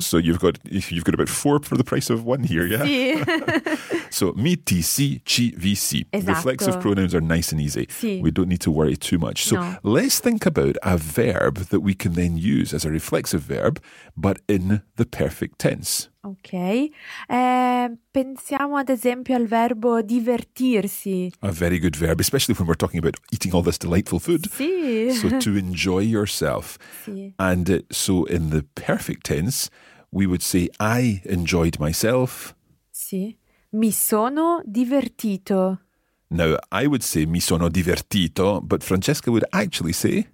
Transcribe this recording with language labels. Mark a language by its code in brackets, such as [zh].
[en] So you've got about four for the price of one here, yeah? [it] Si. So mi, ti, si, ci, vi, si. Exacto. [en] Reflexive pronouns are nice and easy. [it] Si. [en] We don't need to worry too much. So let's think about a verb that we can then use as a reflexive verb, but in the perfect tense. [it] Ok, pensiamo ad esempio al verbo divertirsi. [en] A very good verb, especially when we're talking about eating all this delightful food. [it] Sì. [en] So to enjoy yourself. [it] Sì. [en] And so in the perfect tense, we would say I enjoyed myself. [it] Sì, mi sono divertito. [en] Now, I would say [it] mi sono divertito, [en] but Francesca would actually say